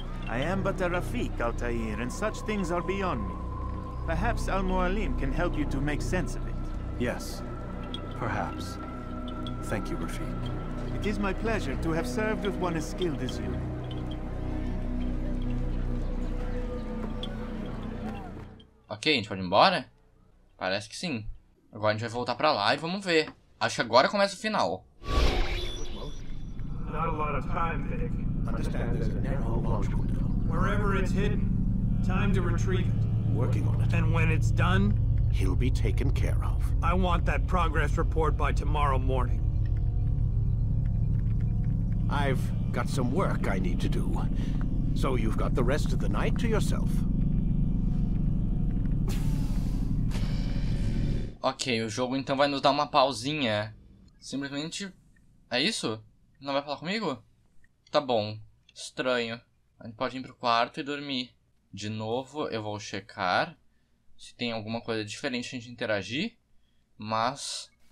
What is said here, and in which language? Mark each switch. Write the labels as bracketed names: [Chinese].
[English] I am but a Rafik, Altair, and such things are beyond me. Perhaps Al-Mualim can help you to make sense of it. Yes, perhaps. Thank you, Rafik. It is my pleasure to have served with one as skilled as you. [Portuguese] Ok, a gente pode ir embora? Parece que sim. Agora a gente vai voltar pra lá e vamos ver. Acho que agora começa o final. [English] Not a lot of time, Vic. Understand, there's a narrow logical window. Wherever it's hidden, time to retrieve it. Working on it. And when it's done, he'll be taken care of. I want that progress report by tomorrow morning. I've got some work I need to do. So you've got the rest of the night to yourself. [Portuguese] Ok, o jogo então vai nos dar uma pausinha. Simplesmente... É isso? Não vai falar comigo? Tá bom. Estranho. A gente pode ir pro quarto e dormir. De novo, eu vou checar se tem alguma coisa diferente pra gente interagir. Mas...